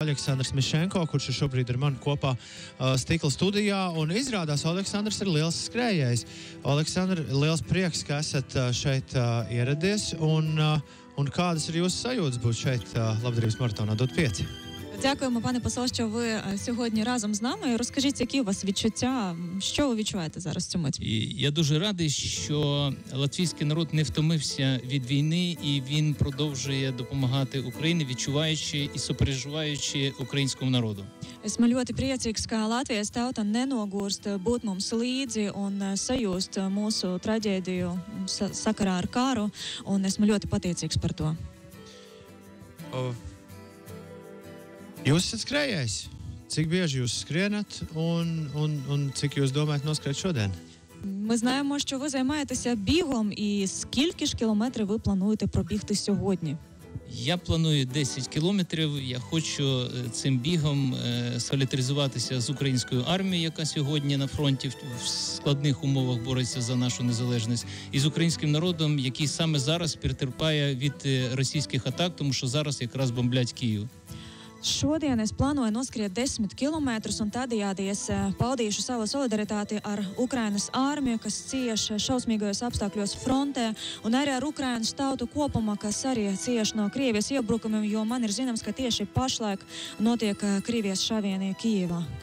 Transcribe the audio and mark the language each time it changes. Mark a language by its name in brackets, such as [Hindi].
[Latvian] Aleksandrs Mišenko, kurš šobrīd ir man kopā stikla studijā, un izrādās, Aleksandrs ir liels skrējējs. Aleksandr, liels prieks, ka esat šeit ieradies, un kādas ir jūsu sajūtas būt šeit labdarības maratonā dot 5? [Ukrainian] Дякуємо, пане посол, що ви сьогодні разом з нами. Розкажіть, які у вас відчуття, що ви відчуваєте зараз в цю мить? Я дуже радий, що латвійський народ не втомився від війни, і він продовжує допомагати Україні, відчуваючи і сопереживаючи українському народу. [Latvian] Esmu ļoti priecīgs, ka Latvijas tauta nenogurst būt mums līdzi un sajūst mūsu traģēdiju sakarā ar kāru, un esmu ļoti pateicīgs par to. Jūs esat skrējais. Cik bieži jūs skrienat un cik jūs domājat noskrēt šodien? [Ukrainian] Ми знаємо, що ви займаєтеся бігом, і скільки ж кілометрів ви плануєте пробігти сьогодні? Я планую 10 кілометрів. Я хочу цим бігом солідаризуватися з українською армією, яка сьогодні на фронті в складних умовах бореться за нашу незалежність, і з українським народом, який саме зараз перетерпає від російських атак, тому що зараз якраз бомблять Київ. [Latvian] Šodien es plānoju noskriet 10 kilometrus un tādējādi es paudīšu savu solidaritāti ar Ukrainas armiju, kas cieš šausmīgajos apstākļos frontē, un arī ar Ukrainas tautu kopumā, kas arī cieš no Krievijas iebrukumiem, jo man ir zināms, ka tieši pašlaik notiek Krievijas šavienie Kīvā.